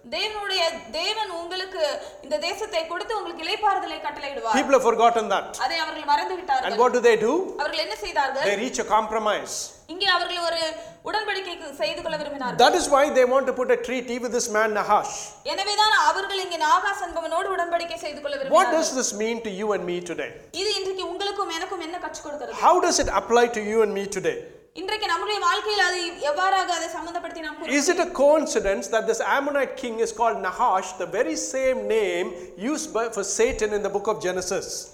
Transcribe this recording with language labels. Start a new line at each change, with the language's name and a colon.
Tamil: தேவனுடைய தேவன் உங்களுக்கு இந்த தேசத்தை கொடுத்து உங்களுக்கு இளைப்பாறுதலை கட்டளையிடுவார்
English: people have forgotten that
Tamil: அதை அவர்கள் மறந்து விட்டார்கள்
English: and what do they do
Tamil: அவர்கள் என்ன செய்தார்கள்
English: they reach a compromise
Tamil: இங்கே அவர்கள் ஒரு உடன்படிக்கை செய்து கொள்ள விரும்பினார்கள்
English: that is why they want to put a treaty with this man Nahash
Tamil: எனவே தான் அவர்கள் இங்கே நாகாஸ் என்பவனோடு உடன்படிக்கை செய்து கொள்ள விரும்பினார்கள்
English: what does this mean to you and me today
Tamil: இது இன்றைக்கு உங்களுக்கும் எனக்கும் என்ன கற்றுக் கொடுக்கிறது
English: how does it apply to you and me today
Tamil: இன்றைக்கு நம்முடைய வாழ்க்கையில் அது எவ்வாறாக அதை சம்பந்தப்படுத்தி நாம்
English: Is it a coincidence that this Ammonite king is called Nahash the very same name used by, for Satan in the book of Genesis